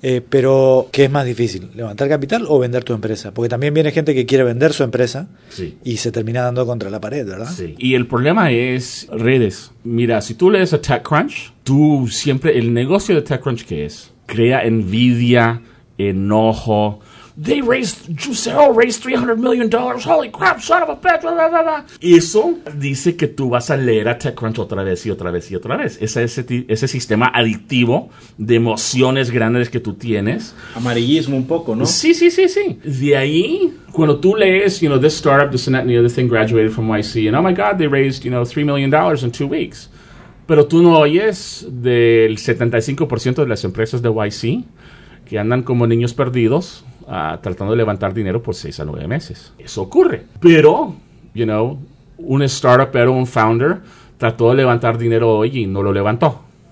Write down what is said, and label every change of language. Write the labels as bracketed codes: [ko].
[es] Pero, ¿qué es más difícil? ¿Levantar capital o vender tu empresa? Porque también viene gente que quiere vender su empresa Sí. Y se termina dando contra la pared, ¿verdad? Sí. Y el problema es redes. Mira, si tú lees a TechCrunch, tú siempre, el negocio de TechCrunch, ¿qué es? Crea envidia, enojo. [en] Juicero raised $300 million. Holy crap, son of a bitch. Blah, blah, blah, blah. [es] Eso dice que tú vas a leer a TechCrunch otra vez y otra vez y otra vez. Es ese sistema adictivo de emociones grandes que tú tienes. Amarillismo un poco, ¿no? Sí, sí, sí, sí. De ahí, cuando tú lees, [en] you know, this startup, this and that and the other thing graduated from YC, and oh my God, they raised, you know, $3 million in 2 weeks. [es] Pero tú no oyes del 75% de las empresas de YC que andan como niños perdidos tratando de levantar dinero por 6 a 9 meses. Eso ocurre. Pero, [en] you know, [es] un startup era un founder, trató de levantar dinero hoy y no lo levantó.